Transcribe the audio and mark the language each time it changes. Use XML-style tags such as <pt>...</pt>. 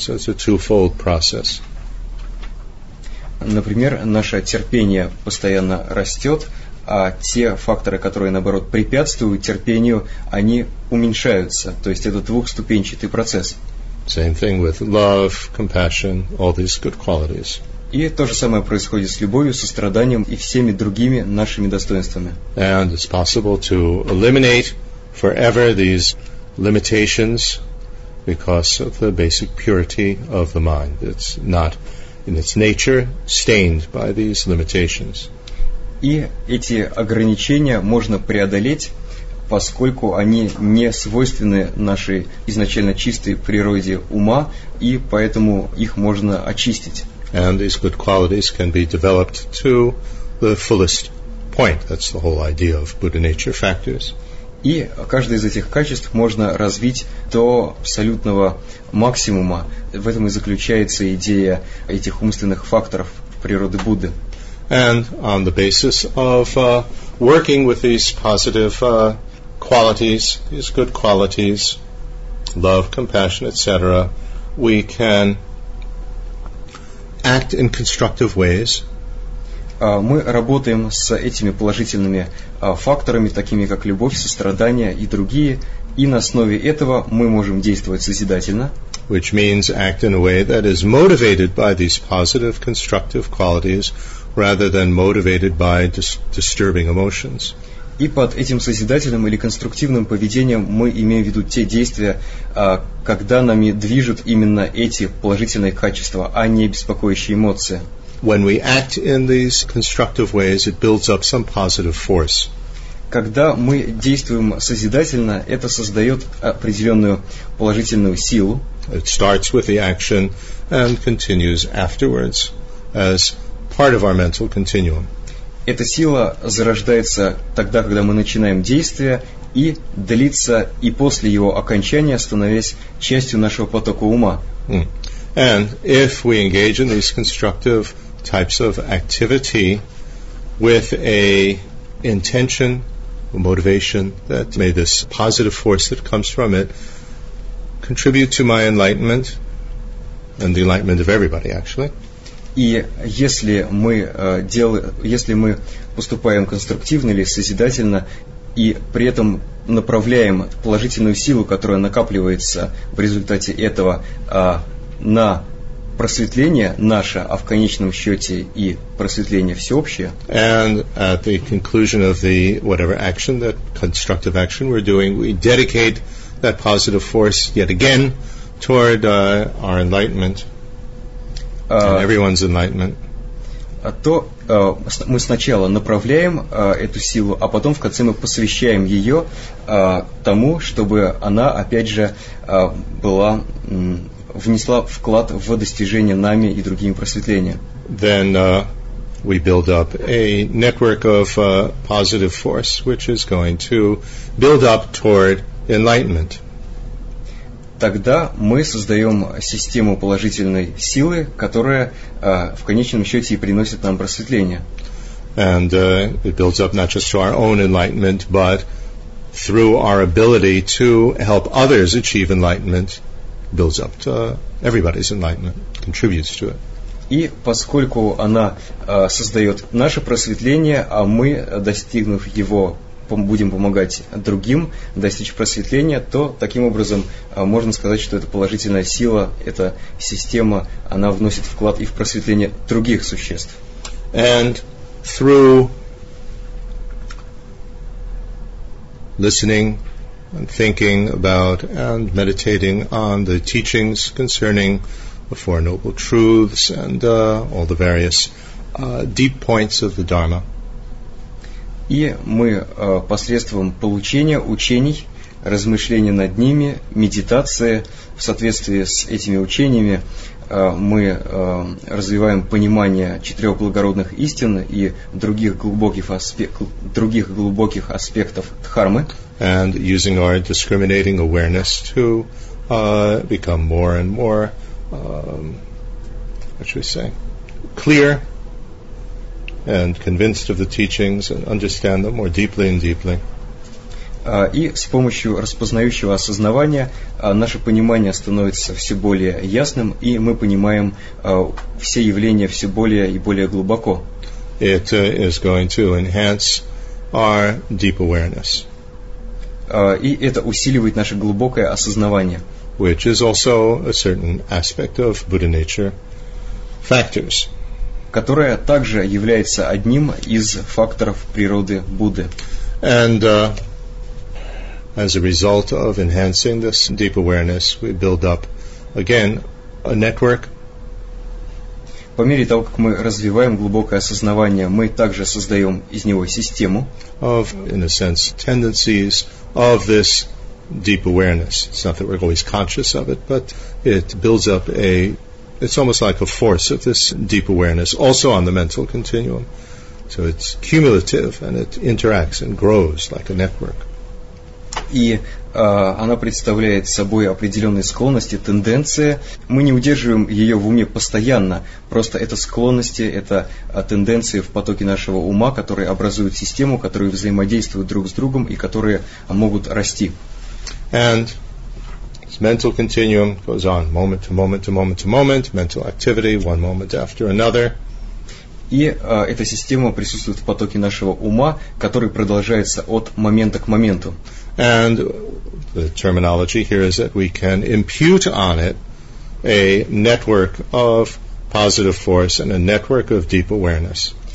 <en>So it's a twofold process.</en> <ru>Например, наше терпение постоянно растет, а те факторы, которые, наоборот, препятствуют терпению, они уменьшаются. То есть это двухступенчатый процесс.</ru> <en>Same thing with love, compassion, all these good qualities.</en> <ru>И то же самое происходит с любовью, состраданием и всеми другими нашими достоинствами.</ru> <en>And it's possible to eliminate forever these limitations because of the basic purity of the mind. It's not in its nature stained by these limitations.</en> <ru>И эти ограничения можно преодолеть, поскольку они не свойственны нашей изначально чистой природе ума, и поэтому их можно очистить.</ru> <en>And these good qualities can be developed to the fullest point. That's the whole idea of Buddha nature factors.</en> <ru>И каждое из этих качеств можно развить до абсолютного максимума. В этом и заключается идея этих умственных факторов природы Будды.</ru> <en>And on the basis of working with these positive qualities, these good qualities, love, compassion, etc., we can act in constructive ways.</en> <ru>Мы работаем с этими положительными факторами, такими как любовь, сострадание и другие, и на основе этого мы можем действовать созидательно.</ru> <en>Which means act in a way that is motivated by these positive, constructive qualities rather than motivated by disturbing emotions.</en> <ru>И под этим созидательным или конструктивным поведением мы имеем в виду те действия, когда нами движут именно эти положительные качества, а не беспокоящие эмоции.</ru> <en>When we act in these constructive ways, it builds up some positive force.</en> <ru>Когда мы действуем созидательно, это создает определенную положительную силу.</ru> <en>It starts with the action and continues afterwards as part of our mental continuum.</en> <ru>Эта сила зарождается тогда, когда мы начинаем действие, и длится и после его окончания, становясь частью нашего потока ума.</ru> <en>And if we engage in these constructive types of activity with a intention, a motivation that may this positive force that comes from it contribute to my enlightenment and the enlightenment of everybody, actually.</en> <ru>И если мы если мы поступаем конструктивно или созидательно, и при этом направляем положительную силу, которая накапливается в результате этого, на просветление наше, а в конечном счете и просветление всеобщее.</ru> <en>And at the conclusion of the whatever action, that constructive action we're doing, we dedicate that positive force yet again toward our enlightenment. And everyone's enlightenment.</en> <ru>То мы сначала направляем эту силу, а потом в конце мы посвящаем ее тому, чтобы она опять же была внесла вклад в достижение нами и другими просветления.</ru> <en>Then we build up a network of positive force, which is going to build up toward enlightenment.</en> <ru>Тогда мы создаем систему положительной силы, которая в конечном счете и приносит нам просветление.</ru> <en>And it builds up not just to our own enlightenment, but through our ability to help others achieve enlightenment, builds up to everybody's enlightenment, contributes to it.</en> <ru>И поскольку она создает наше просветление, а мы, достигнув его, будем помогать другим достичь просветления, то таким образом можно сказать, что это положительная сила, эта система, она вносит вклад и в просветление других существ.</ru> <en>And through listening and thinking about and meditating on the teachings concerning the Four Noble Truths and all the various deep points of the Dharma.</en> <ru>И мы посредством получения учений, размышления над ними, медитации в соответствии с этими учениями, мы развиваем понимание четырех благородных истин и других глубоких аспектов дхармы.</ru> <en>And using our discriminating awareness to become more and more, what should we say, clear and convinced of the teachings and understand them more deeply and deeply.</en> <ru>И с помощью распознающего осознавания наше понимание становится все более ясным, и мы понимаем все явления все более и более глубоко.</ru> <en>It is going to enhance our deep awareness.</en> <ru>И это усиливает наше глубокое осознавание.</ru> <en>Which is also a certain aspect of Buddha nature factors.</en> <ru>Которая также является одним из факторов природы Будды.</ru> <en>And as a result of enhancing this deep awareness, we build up again a network.</en> <ru>По мере того, как мы развиваем глубокое осознавание, мы также создаем из него систему.</ru> <en>Of, in a sense, tendencies of this deep awareness. It's not that we're always conscious of it, but it builds up a It's almost like a force of this deep awareness, also on the mental continuum. So it's cumulative, and it interacts and grows like a network.</en> <ru>И она представляет собой определенные склонности, тенденции. Мы не удерживаем ее в уме постоянно. Просто это склонности, это тенденции в потоке нашего ума, которые образуют систему, которые взаимодействуют друг с другом и которые могут расти.</ru> <en>And mental continuum goes on moment to moment to moment to moment, mental activity one moment after another.</en> <ru>И эта система присутствует в потоке нашего ума, который продолжается от момента к моменту.</ru> <en>And the terminology here is that we can impute on it a network of positive force and a network of deep awareness.</en>